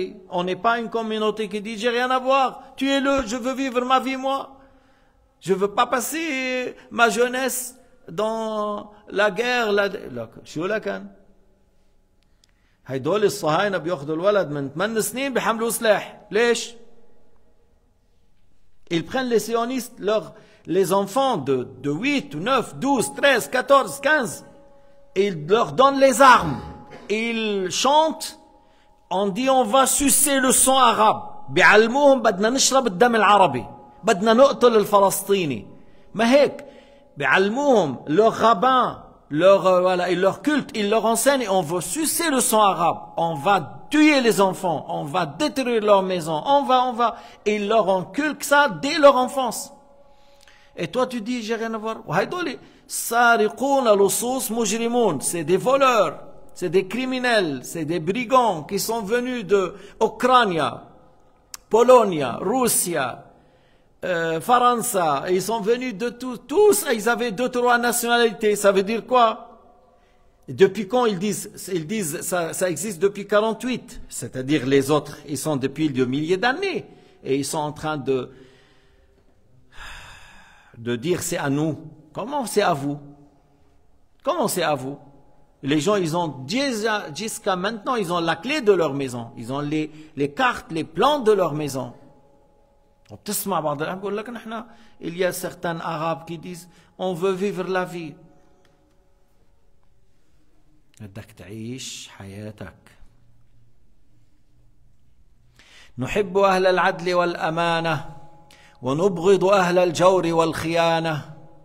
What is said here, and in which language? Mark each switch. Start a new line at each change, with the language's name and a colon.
French: On n'est pas une communauté qui dit, j'ai rien à voir, tuez-le, je veux vivre ma vie moi. Je veux pas passer ma jeunesse dans la guerre.
Arabic: شو لكن هيدول الصهاينة بياخذوا الولد من 8 سنين بحملوا سلاح.
French: ليش؟ Ils prennent les sionistes, les enfants de 8, 9, 12, 13, 14, 15. Ils leur donnent les armes. Ils chantent. On dit on va sucer le sang arabe.
Arabic: بيعلموهم بدنا نشرب الدم العربي. بدنا نقتل الفلسطيني. ما هيك بيعلموهم
French: leur rabbin leur voilà et leur culte ils leur enseignent on veut sucer le sang arabe on va tuer les enfants on va détruire leur maison on va et ils leur inculquent ça dès leur enfance et toi tu dis j'ai rien à voir.
Arabic: وهيدول سارقون لصوص مجرمون.
French: C'est des voleurs, c'est des criminels, c'est des brigands qui sont venus de Ukraine, Pologne, Russie, Faransa, ils sont venus de tous, ils avaient deux, trois nationalités. Ça veut dire quoi? Depuis quand ils disent ça existe depuis 48. C'est-à-dire les autres, ils sont depuis des milliers d'années. Et ils sont en train de dire c'est à nous. Comment c'est à vous? Comment c'est à vous? Les gens, ils ont déjà, jusqu'à maintenant, ils ont la clé de leur maison. Ils ont les cartes, les plans de leur maison.
Arabic: وبتسمع بعض الأحيان بقول لك نحن
French: إليا سيغتان أراب كي ديز أون فو فيفر لا في.
Arabic: بدك تعيش حياتك. نحب أهل العدل والأمانة ونبغض أهل الجور والخيانة.